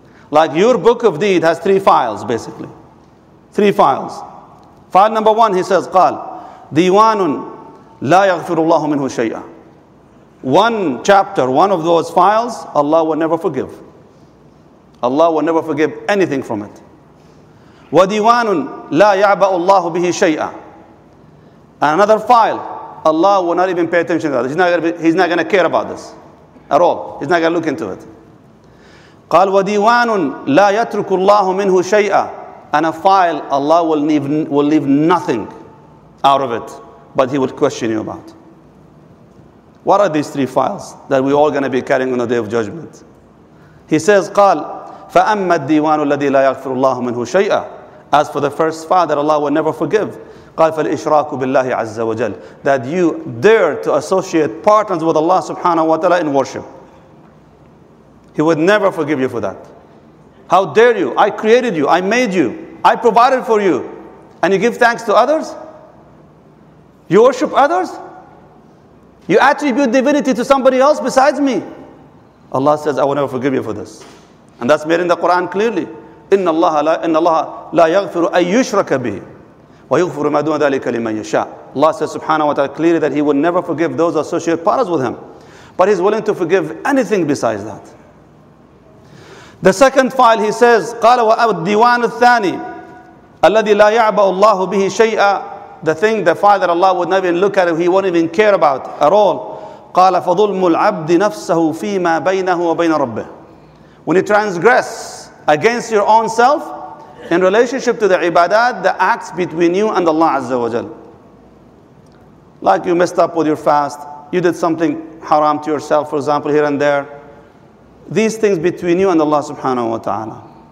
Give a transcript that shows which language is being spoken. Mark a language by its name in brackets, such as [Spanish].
[English] Like your book of deed has three files, basically. Three files. File number one, he says, [Arabic] قال ديوان لا يغفر الله منه شيئا. [English] One chapter, one of those files, Allah will never forgive. Allah will never forgive anything from it. [Arabic] وديوان لا يعبأ الله به شيئا. [English] And another file, Allah will not even pay attention to that. He's not going to care about this at all. He's not going to look into it. [Arabic] قال وديوان لا يترك الله منه شيئا. [English] And a file, Allah will leave nothing out of it, but He will question you about. What are these three files that we're all going to be carrying on the day of judgment? He says, [Arabic] قال فأما الديوان الذي لا يغفر الله منه شيئا. [English] As for the first file that Allah will never forgive, [Arabic] قال فالإشراك بالله عز وجل, [English] that you dare to associate partners with Allah subhanahu wa ta'ala in worship. He would never forgive you for that. How dare you? I created you. I made you. I provided for you. And you give thanks to others? You worship others? You attribute divinity to somebody else besides me? Allah says, I will never forgive you for this. And that's made in the Quran clearly. [Arabic] إن الله لا يغفر أن يشرك به ويغفر ما دون ذلك لمن يشاء. [English] Allah says subhanahu wa ta'ala clearly that He will never forgive those associate partners with Him. But He's willing to forgive anything besides that. The second file, He says, [Arabic] قال والديوان الثاني الذي لا يعبأ الله به شيئا. [English] The thing, the file that Allah would never even look at, He won't even care about at all. [Arabic] قال فظلم العبد نفسه فيما بينه وبين ربه. [English] When you transgress against your own self in relationship to the ibadat, the acts between you and Allah Azza wa Jal. Like you messed up with your fast, you did something haram to yourself, for example, here and there. These things between you and Allah subhanahu wa ta'ala.